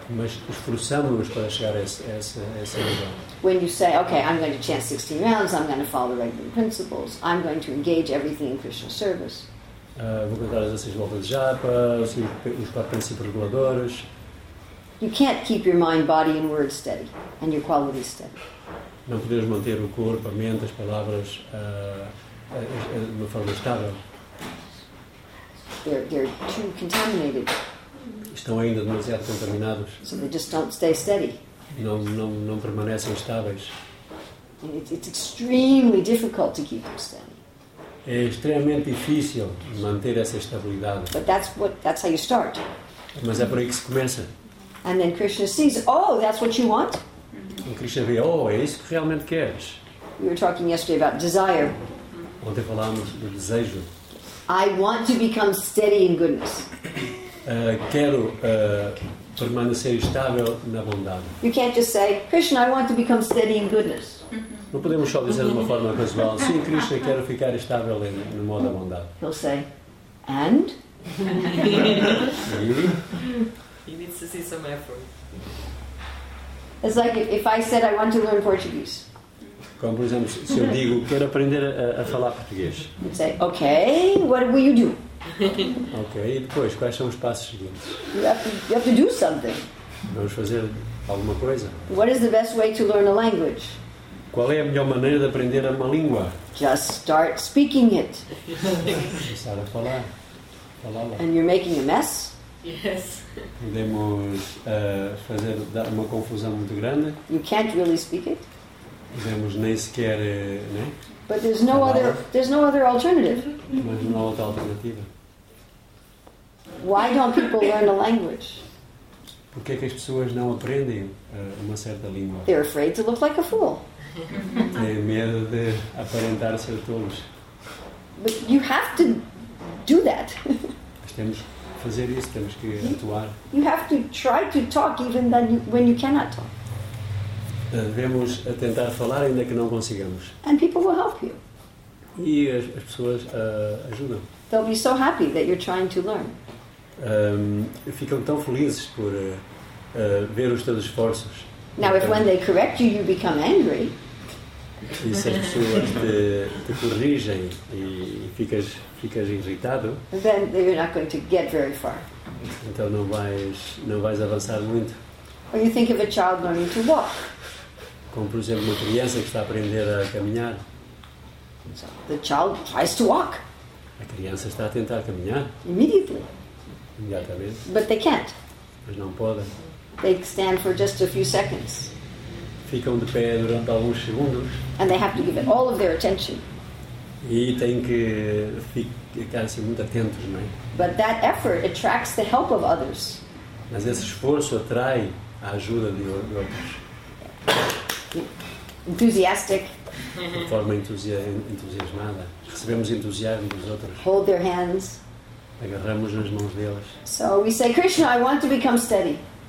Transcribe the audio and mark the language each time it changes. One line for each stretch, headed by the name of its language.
Portuguese: Mas esforçamos-nos para chegar a esse nível.
English: When you say, okay, I'm going to chant 16 rounds, I'm going to follow the regular principles, I'm going to engage everything in Krishna service.
Portuguese: Vou cantar as 16 voltas de japa, os 4 princípios reguladores.
English: You can't keep your mind, body and words steady, and your qualities steady.
Portuguese: Não podemos manter o corpo, a mente, as palavras de uma forma estável.
English: They're too contaminated.
Portuguese: Estão ainda demasiado contaminados.
English: So they just don't stay steady.
Portuguese: Não permanecem estáveis.
English: And it's extremely difficult to keep them steady.
Portuguese: É extremamente difícil manter essa estabilidade.
English: But that's how you start.
Portuguese: Mas é por aí que se começa.
English: And then Krishna sees, oh, that's what you want.
Portuguese: E Krishna vê, oh, é isso que realmente queres.
English: We were talking yesterday about desire.
Portuguese: Ontem falámos do desejo.
English: I want to become steady in goodness.
Portuguese: Quero permanecer estável na bondade.
English: You can't just say, Krishna, I want to become steady in goodness.
Portuguese: Não podemos só dizer de uma forma casual, sim, Krishna, quero ficar estável no modo da bondade.
English: He'll say, and?
Portuguese: E?
English: He needs to see some effort. It's like if I said I want to learn Portuguese.
Portuguese: Como, por exemplo, se eu digo quero aprender a falar português.
English: You say, okay, what will you do?
Portuguese: Okay, e depois, quais são os passos seguintes?
English: You have to do something.
Portuguese: Vamos fazer alguma coisa.
English: What is the best way to learn a language?
Portuguese: Qual é a melhor maneira de aprender uma língua?
English: Just start speaking it.
Portuguese: Começar a falar. Falá-la.
English: And you're making a mess? Yes.
Portuguese: Podemos fazer dar uma confusão muito grande.
English: You can't really speak it.
Portuguese: Podemos nem sequer, né?
English: But there's no other alternative.
Portuguese: Mas não há outra alternativa.
English: Why don't people learn a language?
Portuguese: Porque é que as pessoas não aprendem uma certa língua?
English: They're afraid to look like a fool.
Portuguese: Têm medo de aparentar ser tolos.
English: But you have to do that.
Portuguese: Mas temos que fazer isso, temos que atuar.
English: You have to try to talk even then when you cannot talk.
Portuguese: Devemos a tentar falar ainda que não consigamos.
English: And people will help you.
Portuguese: E as pessoas ajudam.
English: They'll be so happy that you're trying to learn.
Portuguese: Ficam tão felizes por ver os teus esforços.
English: Now, if when they correct you, you become angry.
Portuguese: E se as pessoas te corrigem e ficas irritado,
English: then you're not going to get very far.
Portuguese: Então não vais avançar muito.
English: Or you think of a child learning to walk.
Portuguese: Como, por exemplo, uma criança que está a aprender a caminhar.
English: So the child tries to walk.
Portuguese: A criança está a tentar caminhar.
English: Immediately.
Portuguese: Imediatamente.
English: But they can't.
Portuguese: Mas não podem.
English: They stand for just a few seconds.
Portuguese: Ficam de pé durante alguns segundos.
English: And they have to give it all of their attention.
Portuguese: E têm que ficar assim muito atentos, não é?
English: But that effort attracts the help of others.
Portuguese: Mas esse esforço atrai a ajuda de outros.
English: Enthusiastic.
Portuguese: De forma entusiasmada. Recebemos entusiasmo dos outros.
English: Hold their hands.
Portuguese: Agarramos nas mãos deles.
English: So we say, Krishna, I want to become steady.